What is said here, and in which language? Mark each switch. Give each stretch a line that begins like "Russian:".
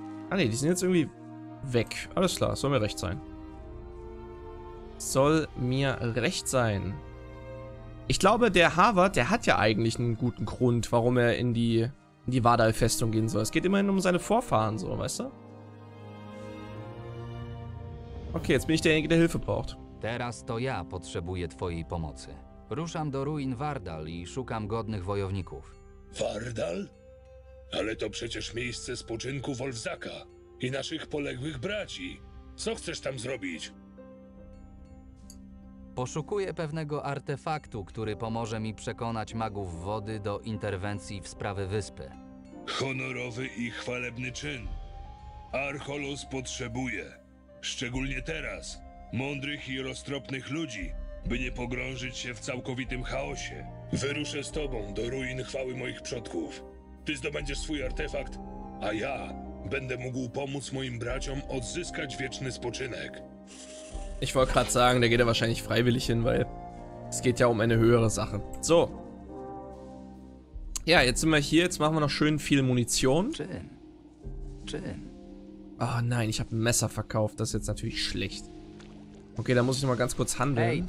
German: Ah ne, die sind jetzt irgendwie weg. Alles klar, soll mir recht sein. Soll mir recht sein. Ich glaube, der Havard, der hat ja eigentlich einen guten Grund, warum er in die Vardal-Festung gehen soll. Es geht immerhin um seine Vorfahren, so, weißt du? Okay, jetzt bin ich derjenige, der Hilfe braucht.
Polish: Teraz to ja potrzebuję twojej pomocy. Ruszam do ruin Vardal i szukam godnych wojowników. Vardal? Ale to przecież miejsce spoczynku Wolfzaka i naszych poległych braci. Co chcesz tam zrobić? Poszukuję pewnego artefaktu, który pomoże mi przekonać magów wody do interwencji w sprawy wyspy. Honorowy i chwalebny czyn. Archolos potrzebuje, szczególnie teraz, mądrych i roztropnych ludzi, by nie pogrążyć się w całkowitym chaosie. Wyruszę z tobą do ruin chwały moich przodków. Ty zdobędziesz swój artefakt, a ja będę mógł pomóc moim braciom odzyskać wieczny spoczynek.
German: Ich wollte gerade sagen, da geht er wahrscheinlich freiwillig hin, weil es geht ja um eine höhere Sache. So. Ja, jetzt sind wir hier, jetzt machen wir noch schön viel Munition. Chin. Oh nein, ich habe ein Messer verkauft, das ist jetzt natürlich schlecht. Okay, da muss ich nochmal ganz kurz handeln.